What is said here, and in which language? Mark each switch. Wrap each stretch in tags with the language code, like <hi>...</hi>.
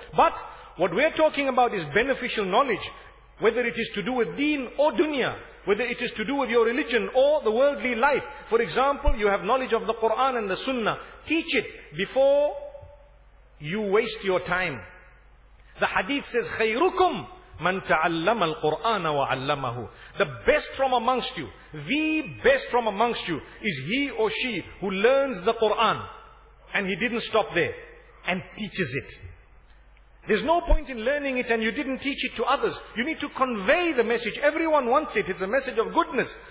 <en>But what we're talking about is beneficial knowledge, whether it is to do with deen or dunya. Whether it is to do with your religion or the worldly life. For example, you have knowledge of the Quran and the Sunnah. Teach it before you waste your time. The hadith says,</en> <ar>خَيْرُكُمْ مَنْ تَعَلَّمَ الْقُرْآنَ وَعَلَّمَهُ.</ar> <en>The best from amongst you, the best from amongst you is he or she who learns the Quran. And he didn't stop there. And teaches it. There's no point in learning it and you didn't teach it to others. You need to convey the message. Everyone wants it. It's a message of goodness.</en>